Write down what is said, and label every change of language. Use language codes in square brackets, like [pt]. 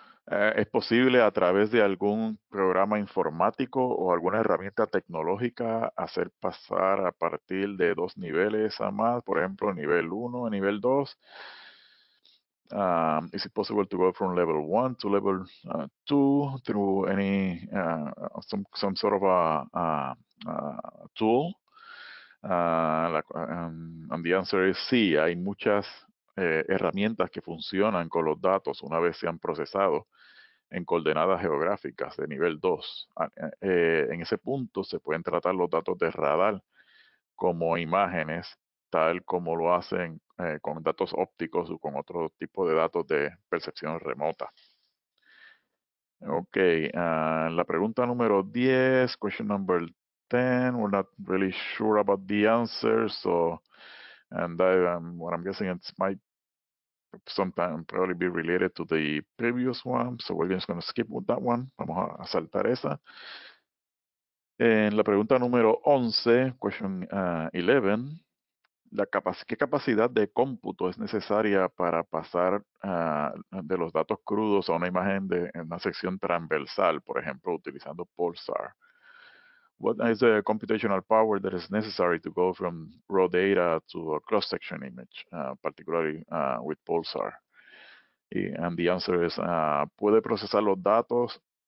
[es] ¿Es posible a través de algún programa informático o alguna herramienta tecnológica hacer pasar a partir de dos niveles a más, por ejemplo, nivel 1 a nivel 2? [en] Is it possible to go from level 1 to level 2 through any some sort of a tool? And the answer is [es] sí, hay muchas herramientas que funcionan con los datos una vez se han procesado en coordenadas geográficas de nivel 2. En ese punto se pueden tratar los datos de radar como imágenes, tal como lo hacen con datos ópticos o con otro tipo de datos de percepción remota. [en] Ok, [es] la pregunta número 10, [en] question number 10, we're not really sure about the answer, so, and what I'm guessing it might sometime probably be related to the previous one, so we're just going to skip with that one, [es] vamos a saltar esa. En la pregunta número 11, [en] question 11, [es] ¿qué capacidad de cómputo es necesaria para pasar de los datos crudos a una imagen de en una sección transversal, por ejemplo, utilizando Pulsar? [en] What is the computational power that is necessary to go from raw data to a cross-section image, particularly with Pulsar? And the answer is, [es] ¿puede procesar los datos?